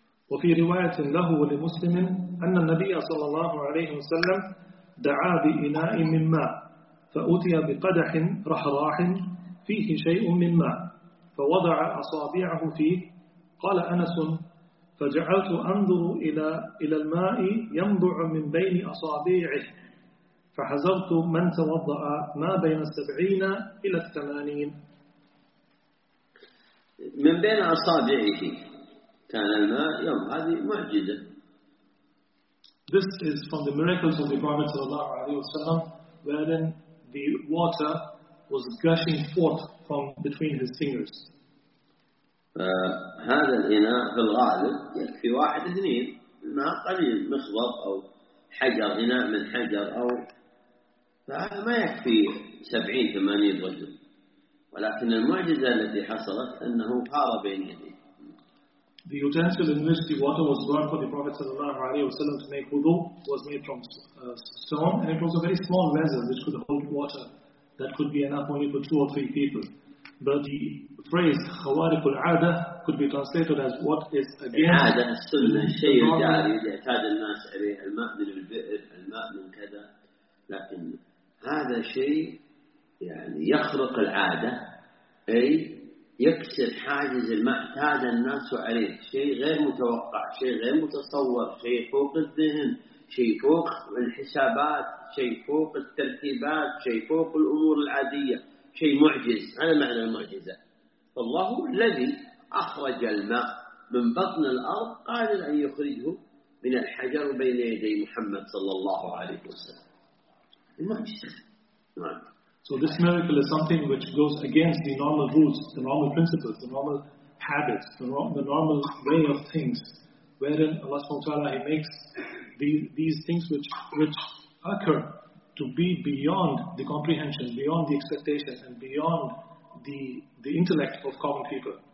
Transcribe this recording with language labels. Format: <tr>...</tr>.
<ar>وفي رواية له لمسلم أن النبي صلى الله عليه وسلم دعا بإناء من ماء فأتي بقدح رحراح فيه شيء من ماء فوضع أصابعه فيه قال أنس فجعلت أنظر إلى الماء ينبع من بين أصابعه فحزرت من توضأ ما بين 70 إلى 80 من بين أصابعه كان الماء يوم هذه معجزة.</ar> <en>This is from the miracles of the Prophet</en> <ar>صلى الله عليه وسلم</ar> <en>wherein the water was gushing forth from between his fingers.</en> <ar>هذا الإناء في الغالب يكفي واحد اثنين ماء قليل مخضب أو حجر إناء من حجر أو فهذا ما يكفي 70-80 رجل ولكن المعجزة التي حصلت أنه حار بين يديه.</ar> <en>The utensil in which the water was brought for the Prophet</en> <ar>صلى الله عليه وسلم</ar> <en>to make wudu was made from stone and it was a very small vessel which could hold water that could be enough only for 2 or 3 people. But the phrase</en> <ar>خوارق العادة</ar> <en>could be translated as what is again</en> <ar>عادة السنة الشيء الجاري يعتاد الناس عليه الماء من البئر الماء من كذا لكن هذا شيء يعني يخرق العادة أي يكسر حاجز الماء اعتاد الناس عليه شيء غير متوقع شيء غير متصور شيء فوق الذهن شيء فوق الحسابات شيء فوق الترتيبات شيء فوق الأمور العادية شيء معجز على معنى المعجزة فالله الذي أخرج الماء من بطن الأرض قادر أن يخرجه من الحجر بين يدي محمد صلى الله عليه وسلم المعجزة.</ar> <en>So this miracle is something which goes against the normal rules, the normal principles, the normal habits, the normal way of things, wherein Allah SWT, He makes these things which occur to be beyond the comprehension, beyond the expectations, and beyond the intellect of common people.</en>